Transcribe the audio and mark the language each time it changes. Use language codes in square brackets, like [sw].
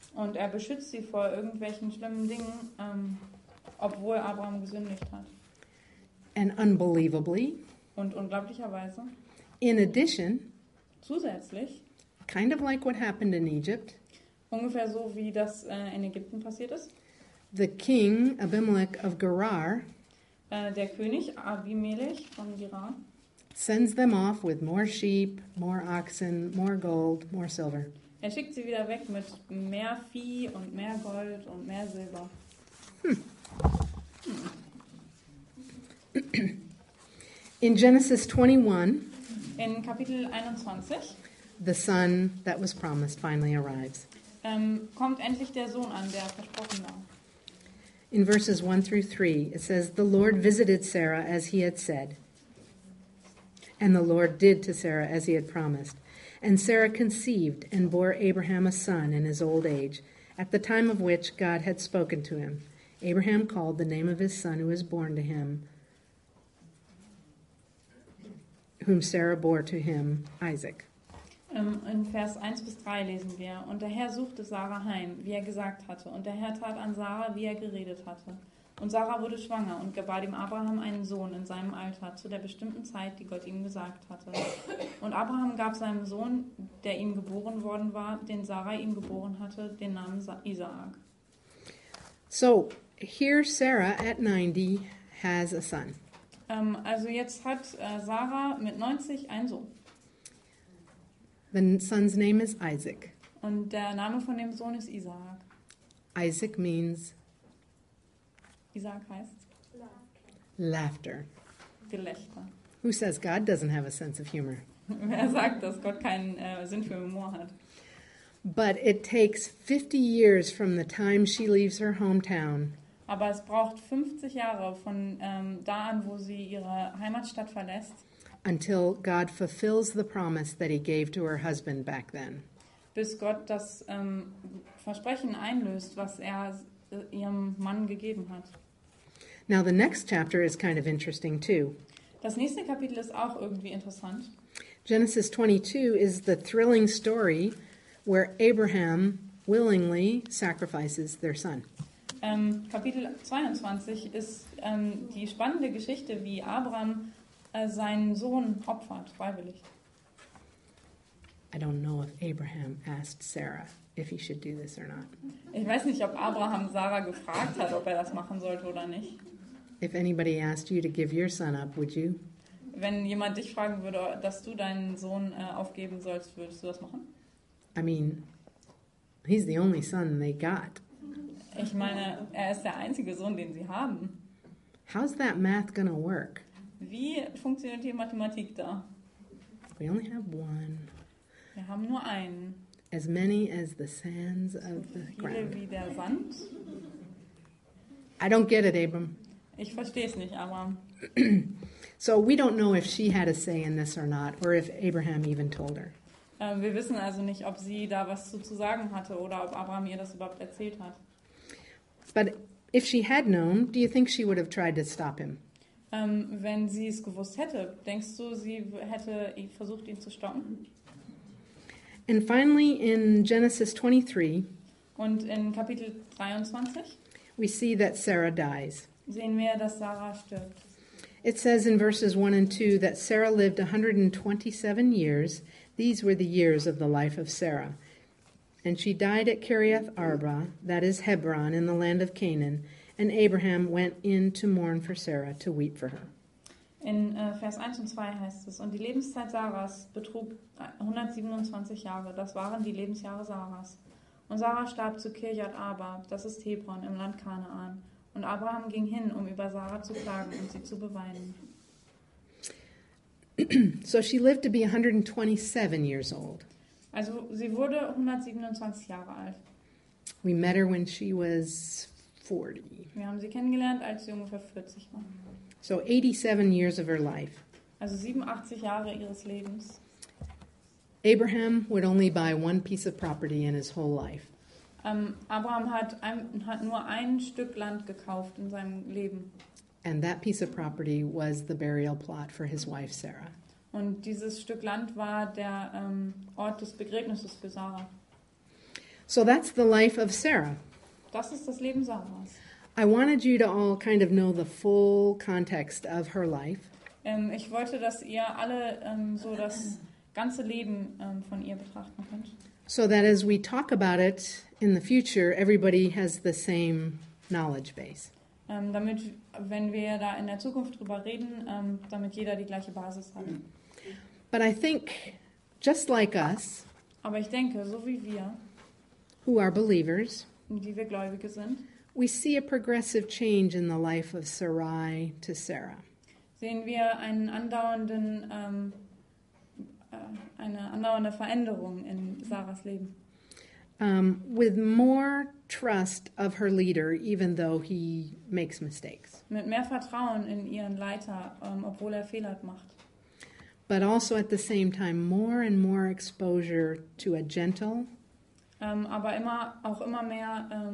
[de] Und er beschützt sie vor irgendwelchen schlimmen Dingen, obwohl Abraham gesündigt hat. [en] And unbelievably. [de] Und unglaublicherweise. [en] In addition. [de] Zusätzlich. [en] Kind of like what happened in Egypt. [de] Ungefähr so, wie das in Ägypten passiert ist. [en] The king, Abimelech of Gerar. [de] Der König Abimelech von Gerar. [en] Sends them off with more sheep, more oxen, more gold, more silver. [de] Er schickt sie wieder weg mit mehr Vieh und mehr Gold und mehr Silber. [en] In Genesis 21. [de] In Kapitel 21. [en] The son that was promised finally arrives. [de] Kommt endlich der Sohn an, der versprochen war. [en] In verses 1 through 3, it says, the Lord visited Sarah as he had said, and the Lord did to Sarah as he had promised. And Sarah conceived and bore Abraham a son in his old age, at the time of which God had spoken to him. Abraham called the name of his son who was born to him, whom Sarah bore to him, Isaac. [de] In Vers 1 bis 3 lesen wir, und der Herr suchte Sarah heim, wie er gesagt hatte, und der Herr tat an Sarah, wie er geredet hatte. Und Sarah wurde schwanger und gebar dem Abraham einen Sohn in seinem Alter, zu der bestimmten Zeit, die Gott ihm gesagt hatte. Und Abraham gab seinem Sohn, der ihm geboren worden war, den Sarah ihm geboren hatte, den Namen Isaac. [en] So, here Sarah at 90 has a son. [de] Also jetzt hat Sarah mit 90 einen Sohn. [en] The son's name is Isaac. [de] Und der Name von dem Sohn ist Isaac. [en] Isaac means... [de] Isaac heißt... [en] Laughter. [de] Gelächter. [en] Who says God doesn't have a sense of humor? [de] Wer sagt, dass Gott keinen Sinn für Humor hat? [en] But it takes 50 years from the time she leaves her hometown. [de] Aber es braucht 50 Jahre von da an, wo sie ihre Heimatstadt verlässt. [en] Until God fulfills the promise that he gave to her husband back then. [de] Bis Gott das Versprechen einlöst, was er ihrem Mann gegeben hat. [en] Now the next chapter is kind of interesting too. [de] Das nächste Kapitel ist auch irgendwie interessant. [en] Genesis 22 is the thrilling story where Abraham willingly sacrifices their son. [de] Kapitel 22 ist die spannende Geschichte, wie Abraham seinen Sohn opfert, freiwillig. [en] I don't know if Abraham asked Sarah if he should do this or not. [de] Ich weiß nicht, ob Abraham Sarah gefragt hat, ob er das machen sollte oder nicht. [en] If anybody asked you to give your son up, would you? [de] Wenn jemand dich fragen würde, dass du deinen Sohn aufgeben sollst, würdest du das machen? [en] I mean, he's the only son they got. [de] Ich meine, er ist der einzige Sohn, den sie haben. [en] How's that math gonna work? [de] Wie funktioniert die Mathematik da? [en] We only have one. [de] Wir haben nur einen. [en] As many as the sands of the ground. [de] So viele wie der Sand. [en] I don't get it, Abram. [de] Ich verstehe es nicht, Abram. [en] So we don't know if she had a say in this or not, or if Abraham even told her. [de] Wir wissen also nicht, ob sie da was zu sagen hatte oder ob Abraham ihr das überhaupt erzählt hat. [en] But if she had known, do you think she would have tried to stop him? [de] Wenn sie es gewusst hätte, denkst du, sie hätte versucht, ihn zu stoppen? [en] And finally in Genesis 23, [de] und in Kapitel 23, [en] we see that Sarah dies. [de] Sehen wir, dass Sarah stirbt. [en] It says in verses 1 and 2 that Sarah lived 127 years. These were the years of the life of Sarah. And she died at Kiriath Arba, that is Hebron, in the land of Canaan. And Abraham went in to mourn for Sarah, to weep for her. [de] In Vers 1 und 2 heißt es, und die Lebenszeit Sarahs betrug 127 Jahre. Das waren die Lebensjahre Sarahs. Und Sarah starb zu Kiriath Arba, das ist Hebron, im Land Kanaan. Und Abraham ging hin, um über Sarah zu klagen und sie zu beweinen. [en] So she lived to be 127 years old. [de] Also sie wurde 127 Jahre alt. [en] We met her when she was 40. [de] Wir haben sie kennengelernt, als sie ungefähr 40 war. [en] So 87 years of her life. [de] Also 87 Jahre ihres Lebens. [en] Abraham would only buy one piece of property in his whole life. [de] Abraham hat nur ein Stück Land gekauft in seinem Leben. [en] And that piece of property was the burial plot for his wife Sarah. [de] Und dieses Stück Land war der Ort des Begräbnisses für Sarah. [en] So that's the life of Sarah. [de] Das ist das Leben Sarahs. [en] I wanted you to all kind of know the full context of her life. [de] Ich wollte, dass ihr alle so das ganze Leben von ihr betrachten könnt. [en] So that as we talk about it in the future, everybody has the same knowledge base. [de] Damit, wenn wir da in der Zukunft drüber reden, damit jeder die gleiche Basis hat. [en] But I think, just like us, [de] aber ich denke, so wie wir, [en] who are believers, [de] die wir Gläubige sind, [en] we see a progressive change in the life of Sarai to Sarah. [de] Sehen wir einen andauernden, eine andauernde Veränderung in Sarahs Leben. [en] With more trust of her leader, even though he makes mistakes. [de] Mit mehr Vertrauen in ihren Leiter, obwohl er Fehler macht. [en] but also at the same time more and more exposure to a gentle. [de] Aber immer auch immer mehr.